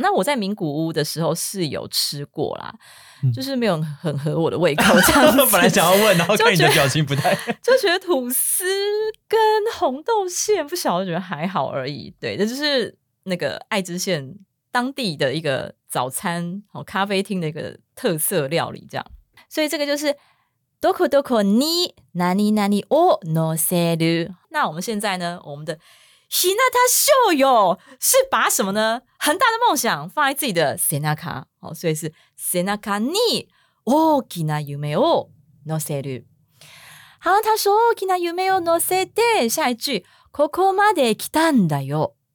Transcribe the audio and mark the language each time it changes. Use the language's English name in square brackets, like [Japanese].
[Chinese] 那我在名古屋的时候是有吃过啦，就是没有很合我的胃口这样子。本来想要问，然后看你的表情不太就觉得吐司跟红豆馅不晓得，觉得还好而已。对，这就是那个爱知县当地的一个早餐咖啡厅的一个特色料理这样。所以这个就是 [Japanese] どこどこに何々を乗せる。 [Chinese] 那我们现在呢，我们的ひなた秀よ是把什么呢，很大的梦想放在自己的背中、哦、所以是 [Japanese] 背中に大きな夢を乗せる。 [Chinese] 好，他说 [Japanese] 大きな夢を乗せて， [Chinese] 下一句 [Japanese] ここまで来たんだよ。